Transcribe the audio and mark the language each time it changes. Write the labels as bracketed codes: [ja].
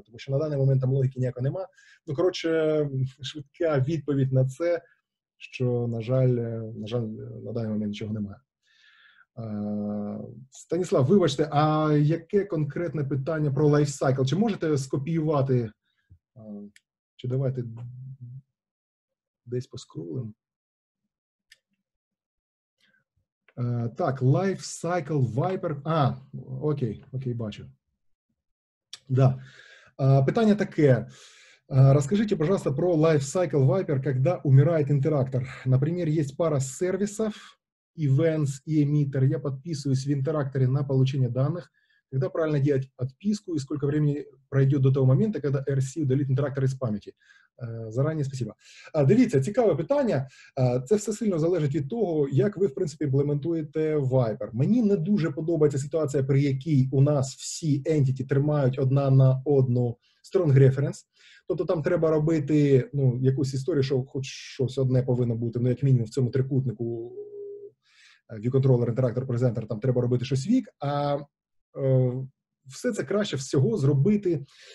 [uk] Тому що на даний момент там логіки ніякої нема. Ну, коротше, швидка відповідь на це, що, на жаль, на даний момент нічого немає. Станіслав, вибачте, а яке конкретне питання про лайфсайкл? Чи можете скопіювати... Чи давайте десь поскролим? Так, Life Cycle Viper. А, окей, окей, бачу. Да. Питання таке. [ru] Розкажите, пожалуйста, про Life Cycle Viper, когда умирает интерактор. Например, есть пара сервисов, events и emitter. Я подписываюсь в интеракторе на получение данных. Когда правильно делать отписку и сколько времени пройдет до того момента, когда RC удалит интерактор из памяти? Заранее спасибо. [uk] Дивіться, цікаве питання. Це все сильно залежить від того, як ви, в принципі, імплементуєте Viper. Мені не дуже подобається ситуація, при якій у нас всі entity тримають одна на одну strong reference. Тобто там треба робити, ну, якусь історію, що хоч щось одне повинно бути, ну, як мінімум, в цьому трикутнику view-controller, interactor, presenter, там треба робити щось вік, а все це краще всього зробити.